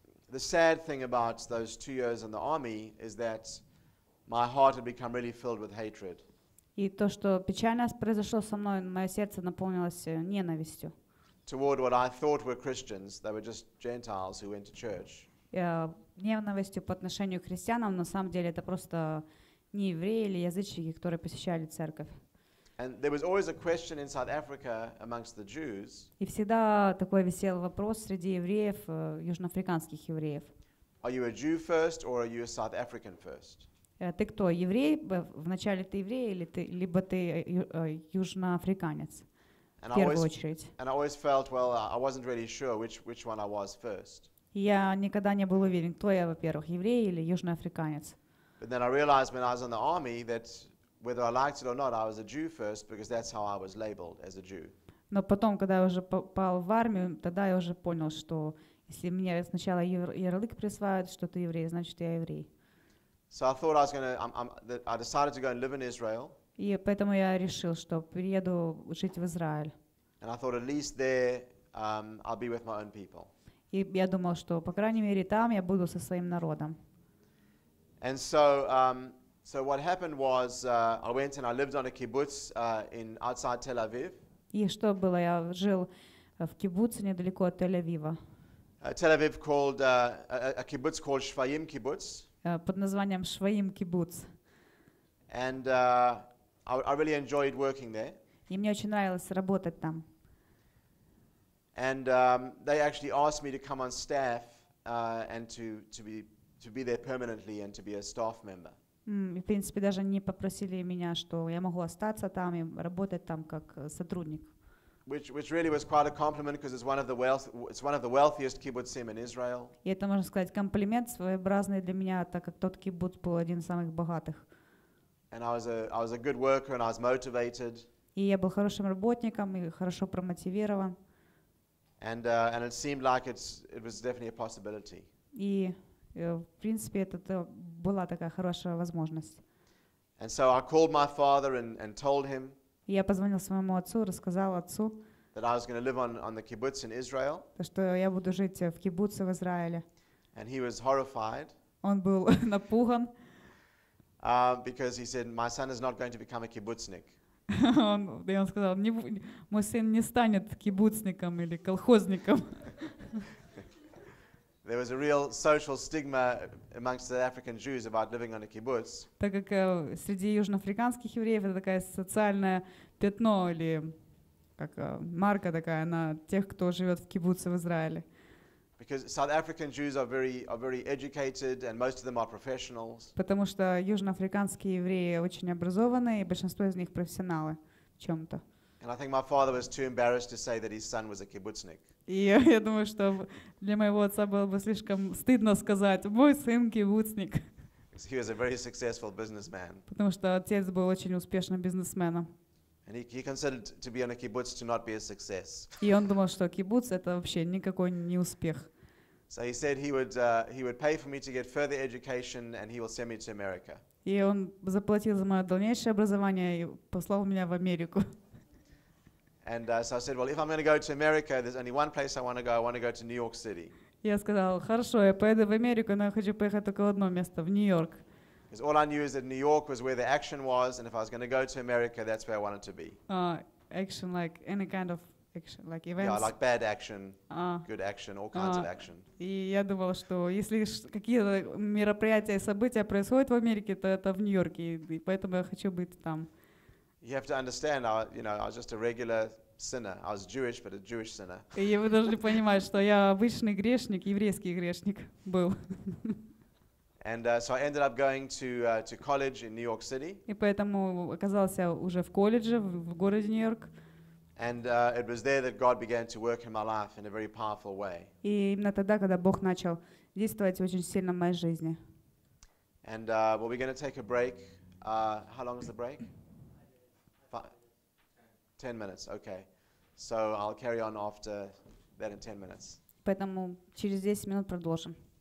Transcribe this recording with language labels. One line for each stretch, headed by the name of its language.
English: The sad thing about those 2 years in the army is that my heart had become really filled with hatred.
Russian: И то, что печально произошло со мной, мое сердце наполнилось ненавистью.
English: Toward what I thought were Christians, they were just Gentiles who went to church.
Russian: Ненавистью по отношению к христианам, на самом деле это просто не евреи или язычники, которые посещали церковь.
English: And there was always a question in South Africa amongst the Jews.
Russian: И всегда такой висел вопрос среди евреев, южноафриканских евреев.
English: Are you a Jew first or are you a South African first?
Russian: Ты кто, еврей? Вначале ты еврей или ты либо ты южноафриканец?
English: And I always felt well, I wasn't really sure which one I was first.
Russian: Я никогда не был уверен, кто я, во-первых, еврей или южноафриканец.
English: But then I realized when I was in the army that whether I liked it or not, I was a Jew first because that's how I was labeled as a Jew.
Russian: Но потом, когда я уже попал в армию, тогда я уже понял, что если мне сначала ярлык присваивают, что ты еврей, значит я еврей.
English: So I thought I was I decided to go and live in Israel.
Russian: И поэтому я решил, что приеду жить в Израиль.
English: And I thought at least there I'll be with my own people.
Russian: И я думал, что по крайней мере там я буду со своим народом.
English: And so what happened was I went and I lived on a kibbutz in outside Tel Aviv.
Russian: И что было? Я жил в кибуце недалеко от Тель-Авива.
English: Tel Aviv called a kibbutz called Shvayim kibbutz.
Russian: Под названием Shvayim kibbutz.
English: And I really enjoyed working there.
Russian: И мне очень нравилось работать там.
English: And they actually asked me to come on staff and to be there permanently and to be a staff member.
Russian: В принципе, даже не попросили меня, что я могу остаться там и работать там как сотрудник.
English: Which really was quite a compliment because it's one of the wealthiest kibbutzim in Israel.
Russian: И это, можно сказать, комплимент своеобразный для меня, так как тот кибуц был один из самых богатых.
English: And I was a good worker and I was motivated.
Russian: И я был хорошим работником и хорошо промотивирован.
English: And it seemed like it was definitely a possibility.
Russian: И в принципе, это была такая хорошая возможность.
English: And so I called my father and told him.
Russian: Я позвонил своему отцу, рассказал отцу.
English: That I was going to live on the kibbutz in Israel.
Russian: Что я буду жить в кибуце в Израиле.
English: And he was horrified.
Russian: Он был напуган.
English: Because he said, my son is not going to become a kibbutznik.
Russian: он сказал, мой сын не станет кибуцником или колхозником.
English: There was a real social stigma amongst the African Jews about living on a kibbutz.
Russian: Так как среди южноафриканских евреев это такая социальное пятно или как марка такая на тех, кто живет в кибуце в Израиле.
English: Because South African Jews are very educated and most of them are professionals.
Russian: Потому что южноафриканские евреи очень образованные, и большинство из них профессионалы в чем-то.
English: And I think my father was too embarrassed to say that his son was a kibbutznik.
Russian: И я думаю, что для моего отца было бы слишком стыдно сказать: «Мой сын кибуцник».
English: He was a very successful businessman.
Russian: Потому что отец был очень успешным бизнесменом.
English: And he considered to be on a kibbutz to not be a success.
Russian: И он думал, что кибуц — это вообще никакой не успех.
English: So he said he would pay for me to get further education and he will send me to America.
Russian: И он заплатил за мое дальнейшее образование и послал меня в Америку.
English: And so I said, well, if I'm going to go to America, there's only one place I want to go. I want to go to New York City.
Russian: Я сказал, хорошо, я поеду в Америку, но я хочу поехать только в одно место, в Нью-Йорк.
English: Because all I knew is that New York was where the action was, and if I was going to go to America, that's where I wanted to be. Action, like any kind of action, like events. Yeah, like bad action, good action, all kinds of action.
Russian: И я думал, что если какие-то мероприятия и события происходят в Америке, то это в Нью-Йорке, и поэтому я хочу быть там.
English: You have to understand, I was just a regular sinner. I was Jewish, but a Jewish sinner.
Russian: И вы должны понимать, что я обычный грешник, еврейский грешник был.
English: And so I ended up going to college in New York City.
Russian: И поэтому оказался уже в колледже в городе Нью-Йорк.
English: And it was there that God began to work in my life in a very powerful way.
Russian: И именно тогда, когда Бог начал действовать очень сильно в моей жизни.
English: And well, we're going to take a break. How long is the break? 10 minutes, okay. So I'll carry on after that in 10 minutes.
Russian: Поэтому через 10 минут продолжим.